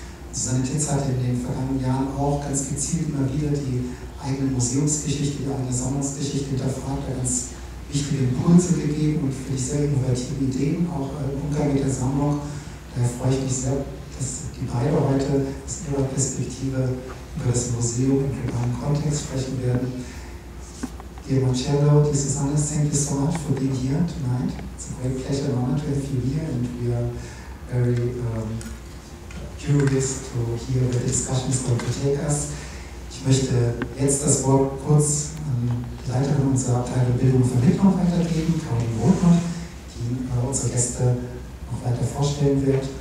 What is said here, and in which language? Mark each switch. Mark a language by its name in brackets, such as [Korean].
[German] Susanne Titz hat in den vergangenen Jahren auch ganz gezielt immer wieder die eigene Museumsgeschichte, die eigene Sammlungsgeschichte hinterfragt, ganz wichtige Impulse gegeben und finde ich sehr innovative Ideen, auch im Umgang mit der Sammlung. Daher freue ich mich sehr, dass die beiden heute aus ihrer Perspektive über das Museum im globalen Kontext sprechen werden. [English] Dear Marcelo, this is Susanne, thank you so much for being here tonight. It's a great pleasure and honor to have you here, and we are very curious to hear where the discussion is going to take us. [German] Ich möchte jetzt das Wort kurz an die Leiterin unserer Abteilung Bildung und Vermittlung weitergeben, Caroline Wohlmann, die unsere Gäste noch weiter vorstellen wird.